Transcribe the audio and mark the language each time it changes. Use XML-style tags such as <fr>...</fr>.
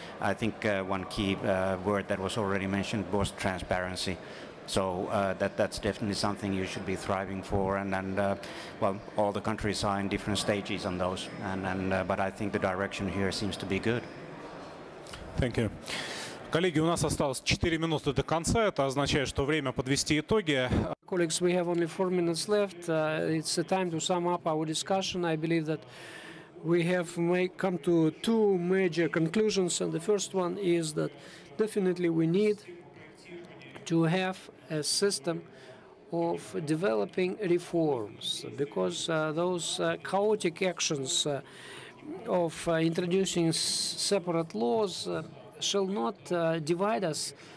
<en>I think one key word that was already mentioned was transparency. So that's definitely something you should be thriving for, and all the countries are in different stages on those, but I think the direction here seems to be good. Thank you.</en> <ru>Коллеги, у нас осталось 4 минуты до конца. Это означает, что время подвести итоги.</ru> <en>Colleagues, we have only 4 minutes left. It's the time to sum up our discussion. I believe that we have come to 2 major conclusions, and the first one is that definitely we need to have a system of developing reforms, because those chaotic actions of introducing separate laws shall not divide us</en>